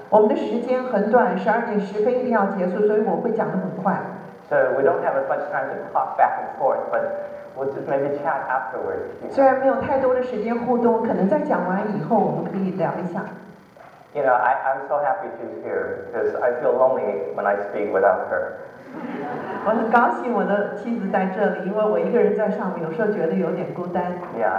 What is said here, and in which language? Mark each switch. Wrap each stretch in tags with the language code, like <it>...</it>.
<zh>我们的时间很短，12点10分一定要结束，所以我会讲得很快。</zh> <en>So we don't have as much time to talk back and forth, but we'll just maybe chat afterwards.</en> <zh>虽然没有太多的时间互动，可能在讲完以后我们可以聊一下。</zh> <en>You know, I'm so happy she's here because I feel lonely when I speak without her.</en> <zh>我很高兴我的妻子在这里，因为我一个人在上面，有时候觉得有点孤单。</zh> <en>Yeah,</en>